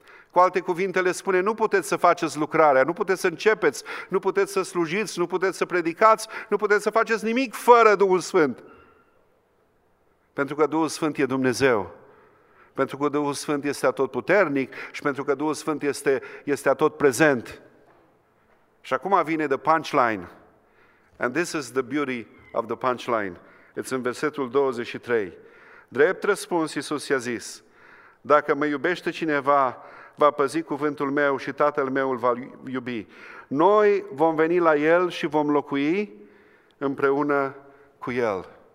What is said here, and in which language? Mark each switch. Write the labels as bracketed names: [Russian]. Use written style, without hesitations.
[Romanian] Cu alte cuvinte le spune, nu puteți să faceți lucrarea, nu puteți să începeți, nu puteți să slujiți, nu puteți să predicați, nu puteți să faceți nimic fără Duhul Sfânt. Pentru că Duhul Sfânt e Dumnezeu, pentru că Duhul Sfânt este atotputernic și pentru că Duhul Sfânt este atot prezent. Și acum vine [English] the punchline. And this is the beauty of the punchline. It's [Romanian] în versetul 23. Drept răspuns, Iisus i-a zis, dacă mă iubește cineva, va păzi cuvântul meu și Tatăl meu îl va iubi. Noi vom veni la el și vom locui împreună cu el.